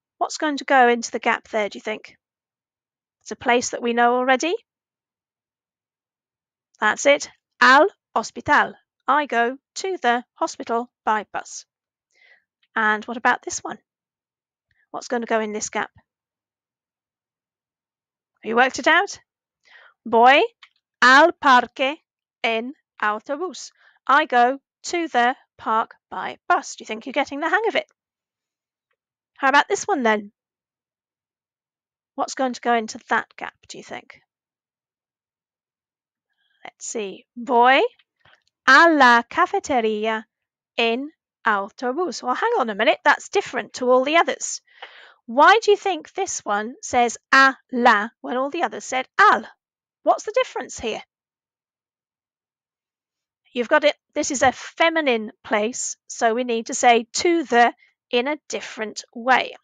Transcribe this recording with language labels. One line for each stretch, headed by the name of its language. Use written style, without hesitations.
English: What's going to go into the gap there, do you think? It's a place that we know already. That's it.
Spanish: Al hospital.
English: I go to the hospital by bus. And what about this one? What's going to go in this gap? Have you worked it out?
Spanish: Voy al parque en autobús.
English: I go to the park by bus. Do you think you're getting the hang of it? How about this one then? What's going to go into that gap, do you think? Let's see.
Spanish: Voy a la cafetería en autobús.
English: Well, hang on a minute. That's different to all the others. Why do you think this one says a la when all the others said al? What's the difference here? You've got it. This is a feminine place, so we need to say to the in a different way.